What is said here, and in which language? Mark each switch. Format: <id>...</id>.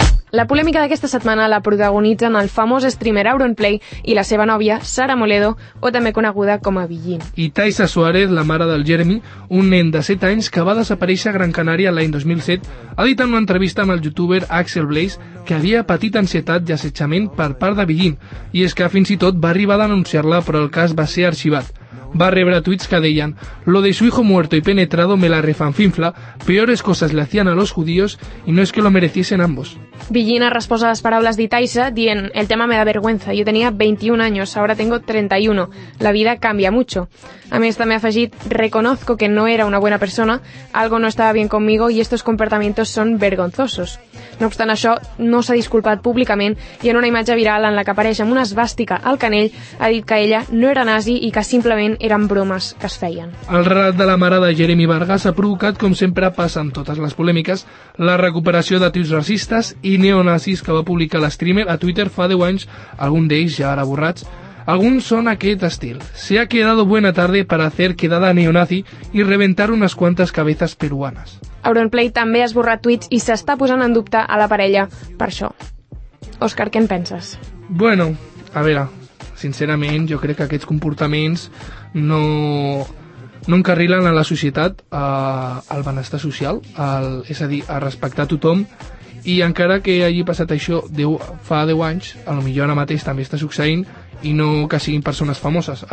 <ca>La polèmica d'aquesta setmana la protagonitzen el famós streamer Auron Play i la seva nòvia, Sara Moledo, o també coneguda com a Villín. I Taisa Suárez, la mare del Jeremy, un nen de 7 anys que va desaparèixer a Gran Canària l'any 2007, ha dit en una entrevista amb el youtuber Axel Blaze que havia patit ansietat i assetjament per part de Villín, i és que fins i tot va arribar a denunciar-la, però el cas va ser arxivat. Va rebre tuits que deien:</ca> <es>lo de su hijo muerto y penetrado me la refanfinfla, peores cosas le hacían a los judíos y no es que lo mereciesen ambos.</es> <ca>Villín ha respost a les paraules d'Itaisa dient:</ca> <es>el tema me da vergüenza, yo tenía 21 años, ahora tengo 31, la vida cambia mucho.</es> <ca>A més també ha afegit:</ca> <es>reconozco que no era una buena persona, algo no estaba bien conmigo y estos comportamientos son vergonzosos.</es> <ca>No obstant això, no s'ha disculpat públicament i en una imatge viral en la que apareix amb una esvàstica al canell ha dit que ella no era nazi i que simplement eren bromes que es feien. El relat de la mare de Jeremy Vargas ha provocat, com sempre passa en totes les polèmiques, la recuperació de tuits racistes i neonazis que va publicar l'streamer a Twitter fa 10 anys, algun d'ells ja ara borrats. Alguns són aquest estil:</ca> <es>se ha quedado buena tarde para hacer quedada neonazi y reventar unas cuantas cabezas peruanas.</es> <ca>Auron Play també ha esborrat tuits i s'està posant en dubte a la parella per això. Òscar, què en penses? Bueno, a veure, sincerament, jo crec que aquests comportaments no encarrilen a la societat, al benestar social, és a dir, a respectar tothom, i encara que hagi passat això fa 10 anys, a lo millor ara mateix també està succeint, i no que siguin persones famoses.</ca>